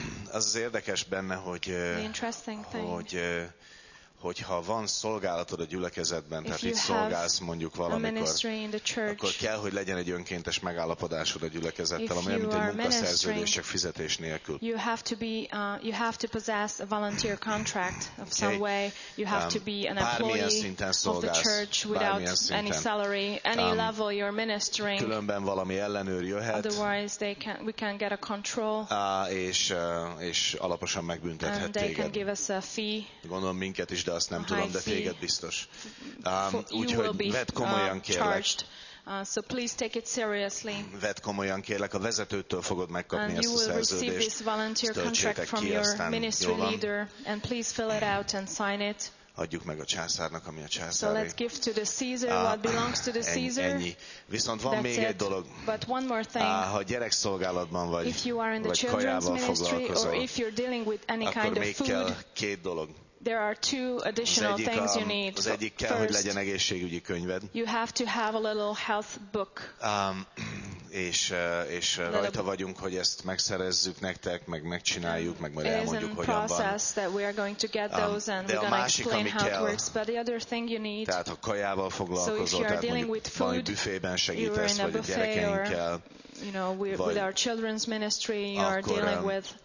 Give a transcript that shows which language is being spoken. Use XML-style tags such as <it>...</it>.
<hu>Az érdekes benne, hogy hogyha van szolgálatod a gyülekezetben, tehát itt szolgálsz mondjuk valamikor, akkor kell, hogy legyen egy önkéntes megállapodásod a gyülekezettel, ami mint egy munkaszerződés, csak fizetés nélkül.</hu> <en>You have to be you have to possess a volunteer contract of some way. You have to be an employee of the church without any salary, any level you're ministering.</en> <hu>Különben valami ellenőr jöhet.</hu> <en>Otherwise they can we can get a control.</en> <hu>És alaposan megbüntethet téged.</hu> <en>And they can give us a fee.</en> <hu>Gondolom minket is, de azt nem tudom, de téged biztos. Úgyhogy vedd komolyan kérlek.</hu> <en>So please take it seriously.</en> <hu>Vedd komolyan kérlek, a vezetőtől fogod megkapni ezt a szerződést.</hu> <en>This volunteer contract from your ministry leader and please fill it out and sign it.</en> <hu>Adjuk meg a császárnak, ami a császári.</hu> <en>So let's give to the Caesar what belongs to the Caesar.</en> <hu>Ennyi. Viszont van</hu> <en>that's</en> <hu>még</hu> <en>it.</en> <hu>Egy dolog.</hu> <en>But one more thing.</en> <hu>Ha gyerekszolgálatban vagy,</hu> <en>if you are in the</en> <hu>vagy</hu> <en>children's ministry or if you're dealing with any kind of food,</en> <hu>két dolog.</hu> <en>There are two additional things you need.</en> <hu>Az egyik kell, hogy legyen egészségügyi könyved.</hu> <en>You have to have a little health book.</en> <hu>És rajta vagyunk, hogy ezt megszerezzük nektek, meg megcsináljuk, meg majd elmondjuk, hogyan van.</hu> <en>It is in process that we are going to get those and we're going to explain how it works. But the other thing you need.</en> <hu>Tehát ha kajával foglalkozol, tehát mondjuk valami büfében segítesz, vagy a gyerekeinkkel.</hu> <en>You know, with our children's ministry, you are dealing with.</en>